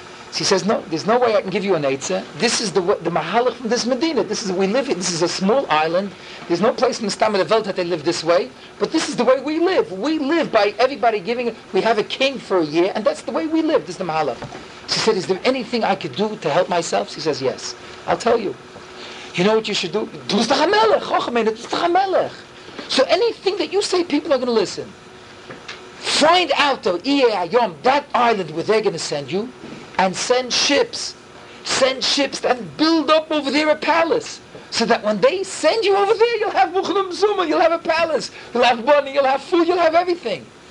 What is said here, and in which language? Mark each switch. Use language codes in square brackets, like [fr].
[en] So he says, no, there's no way I can give you an Eitzah. This is the Mahalach from this Medina. This is we live in. This is a small island. There's no place in the Stam of the Velt that they live this way. But this is the way we live. We live by everybody giving. We have a king for a year, and that's the way we live. This is the Mahalach. She said, is there anything I could do to help myself? She says, yes. I'll tell you. You know what you should do? [yi] Du bist der HaMelech, Chochmein, du bist der HaMelech. [en] So anything that you say, people are going to listen. Find out the Iye Ayom, that island where they're going to send you, and send ships. Send ships and build up over there a palace. So that when they send you over there, you'll have Buchanan Zuma, you'll have a palace, you'll have money, you'll have food, you'll have everything.